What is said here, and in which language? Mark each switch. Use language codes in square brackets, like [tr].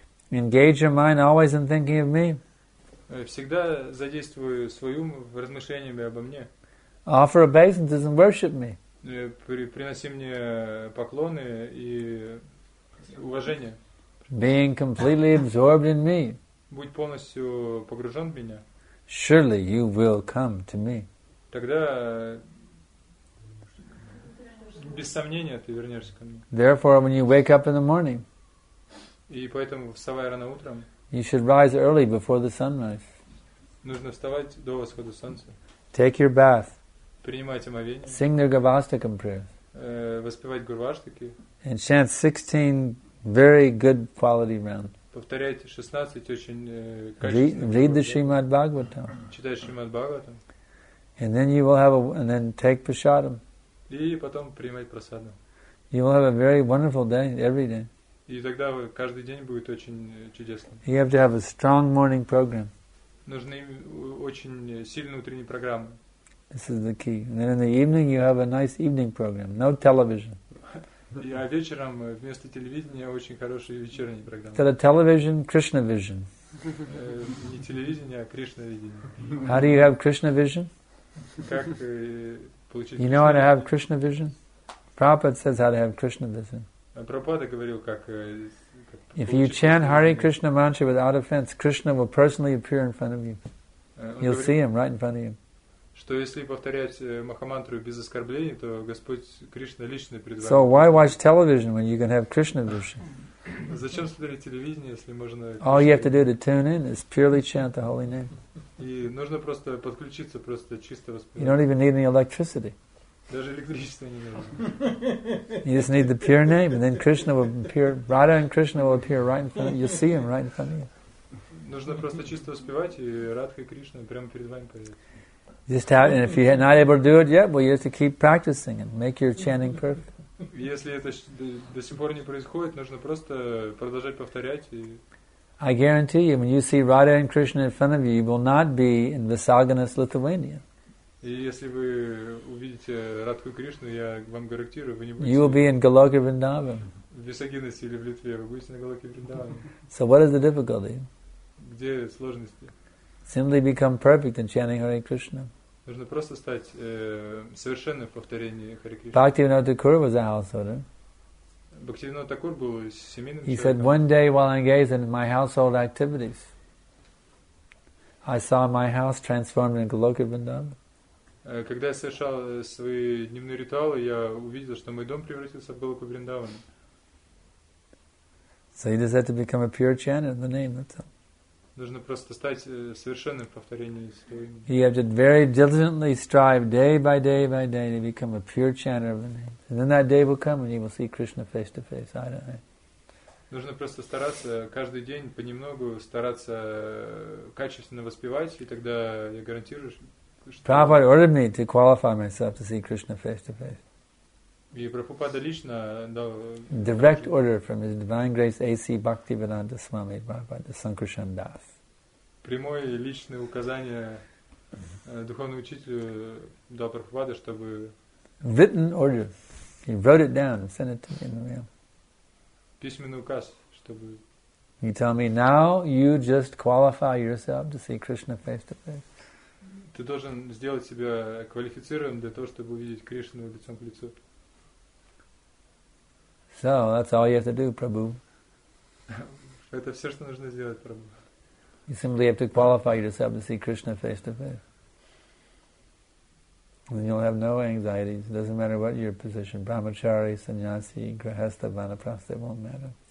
[en] Engage your mind always in thinking of me. [ru] Всегда задействую свой ум в размышлениях обо мне. [en] Offer obeisances and worship me. [ru] Приноси мне поклоны и уважение. [en] Being completely absorbed in me. [ru] Будь полностью погружен в меня. [en] Surely you will come to me. [ru] Тогда без сомнения ты вернешься ко мне. [en] Therefore, when you wake up in the morning, [ru] и поэтому вставай рано утром, [en] you should rise early before the sunrise. [ru] Нужно вставать до восхода солнца. [en] Take your bath. [ru] Принимать омовение. [en] Sing the Gavastakam prayers. [ru] Воспевать Гурваштаки. [en] And chant 16 very good quality round. [ru] Повторяйте 16 очень качественных. [en] Read the [ru] читай Шримад Бхагаватам. [en] And then you will have and then take prasadam. [ru] И потом принимать прасадам. [en] You will have a very wonderful day every day. [ru] И тогда каждый день будет очень чудесным. [en] You have to have a strong morning program. [ru] Нужны очень сильные утренние программы. [en] This is the key. And then in the evening you have a nice evening program. No television. [ru] И а вечером вместо телевидения очень хорошие вечерние программы. [en] Instead of television, Krishna vision. [ru] Не телевидение, а Кришна видение. [en] How do you have Krishna vision? [ru] Как получить? [en] You know how to have Krishna vision? Prabhupada says how to have Krishna vision. [ru] Прабхупада говорил, как [en] if you chant Hare Krishna mantra without offense, Krishna will personally appear in front of you. You'll see him right in front of you. [ru] Что если повторять Махамантру без оскорблений, то Господь Кришна лично пред вами. [en] So why watch television when you can have Krishna vision? [ru] Зачем смотреть телевидение, если можно? [en] All you have to do to tune in is purely chant the holy name. [ru] И нужно просто подключиться, просто чисто воспевать. [en] You don't even need any electricity. [ru] Даже электричества не нужно. [en] You just need the pure name, and then Krishna will appear. Radha and Krishna will appear right in front of you. You'll see him right in front of you. [ru] Нужно просто чисто успевать, и Радха Кришна прямо перед вами появится. [en] Just have, and if you're not able to do it yet, well, you have to keep practicing and make your chanting perfect. [ru] Если это до сих пор не происходит, нужно просто продолжать повторять. [en] I guarantee you, when you see Radha and Krishna in front of you, you will not be in Visaganas, Lithuania. [ru] И если вы увидите Радху Кришну, я вам гарантирую, вы не будете... [en] You will be in Галоке Вриндаван. [ru] В Висагинасе или в Литве, вы будете на Галоке Вриндаване. [en] So what is the difficulty? [ru] Где сложности? [en] Simply become perfect in chanting Hare Krishna. [ru] Нужно просто стать совершенным в повторении Hare Krishna. [en] Bhaktivinoda Thakur was a householder. [ru] Bhaktivinoda Thakur был семейным человеком. [en] He said, one day while engaged in my household activities, I saw my house transformed into Galoke Vrindavan. [ru] Когда я совершал свои дневные ритуалы, я увидел, что мой дом превратился в Галоку Вриндаван. [en] So you just have to become a pure chanter in the name, that's all. [ru] Нужно просто стать совершенным в повторении своего имени. [en] You have to very diligently strive day by day by day to become a pure chanter of the name. And then that day will come and you will see Krishna face to face. I don't know. [ru] Нужно просто стараться каждый день понемногу стараться качественно воспевать, и тогда я гарантирую, что... [en] Prabhupada ordered me to qualify myself to see Krishna face to face. [ru] И Прабхупада лично дал... [en] Direct order from His Divine Grace A.C. Bhaktivedanta Swami Prabhupada Sankarshan Das. [ru] Прямое личное указание духовному учителю дал Прабхупада, чтобы... [en] Written order. He wrote it down and sent it to me in the mail. [ru] Письменный указ, чтобы... [en] He told me, now you just qualify yourself to see Krishna face to face. [ru] Ты должен сделать себя квалифицированным для того, чтобы увидеть Кришну лицом к лицу. [en] So, that's all you have to do, Prabhu. [ru] Это все, что нужно сделать, Прабху. [en] You simply have to qualify yourself to see Krishna face to face. Then you'll have no anxieties. It doesn't matter what your position. Brahmachari, sannyasi, grihastha, vanaprastha, it won't matter.